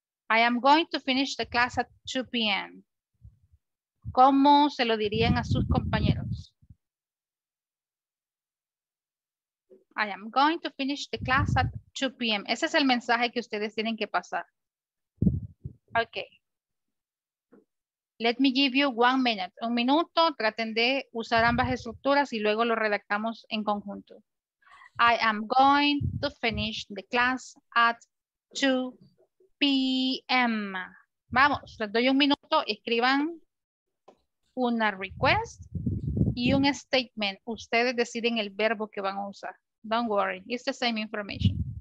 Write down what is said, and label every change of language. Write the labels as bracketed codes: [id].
[en] I am going to finish the class at 2 p.m. [es] ¿Cómo se lo dirían a sus compañeros? [en] I am going to finish the class at 2 p.m. [es] Ese es el mensaje que ustedes tienen que pasar. Ok. [en] Let me give you 1 minute. [es] Un minuto, traten de usar ambas estructuras y luego lo redactamos en conjunto. [en] I am going to finish the class at 2 p.m. [es] Vamos, les doy un minuto, escriban una request y un statement. Ustedes deciden el verbo que van a usar. [en] Don't worry, it's the same information.